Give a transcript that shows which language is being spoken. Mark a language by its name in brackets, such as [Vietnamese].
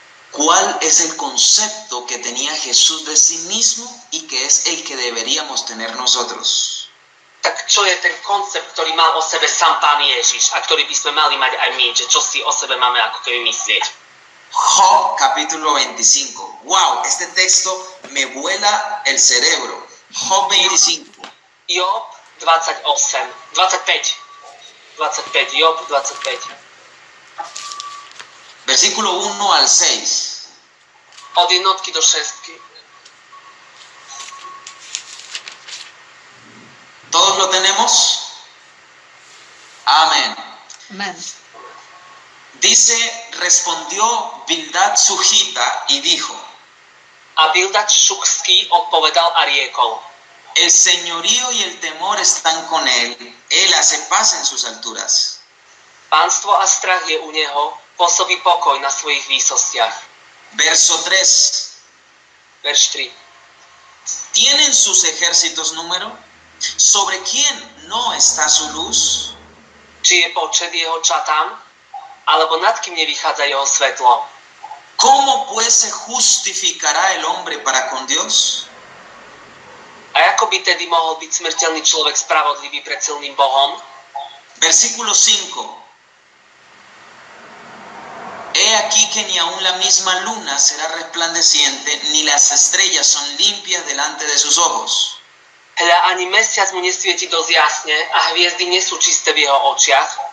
[Spanish] ¿Cuál es el concepto que tenía Jesús de sí mismo y que es el que deberíamos tener nosotros? [Slovak] Tak čo je ten koncept, ktorý mal o sebe sám Pán Ježiš a ktorý by sme mali mať aj my, že čo si o sebe máme ako keby myslieť? [Spanish] Job, capítulo 25. Wow, este texto me vuela el cerebro. Job 25. Job 28. 25. 25. Job 25. Versículo 1 al 6. [Slovak] Od jednotky do šestky. [Spanish] ¿Todos lo tenemos? Amén. Amén. Dice, respondió Bildad Sujita y dijo. [Slovak] A Bildad Sujski odpovedal a riekol. [Spanish] El señorío y el temor están con él. Él hace paz en sus alturas. [Slovak] Pánstvo a strach je u neho, pôsobí pokoj na svojich výsostiach. [Spanish] Verso 3. [Slovak] Verš 3. [Spanish] ¿Tienen sus ejércitos número? Sobre quién no está su luz? [Slovak] Či je počet jeho čatám, alebo nad kým nevychádza jeho svetlo? [Spanish] ¿Cómo pues se justificará el hombre para con Dios? [Slovak] A ako by tedy mohol byť smrteľný človek spravodlivý pred silným Bohom? [Spanish] Versículo 5. He aquí que ni aun la misma luna será resplandeciente, ni las estrellas son limpias delante de sus ojos. [Slovak] Hľa, ani mesiac mu nesvieti dosť jasne a hviezdy nie sú čisté v jeho očiach.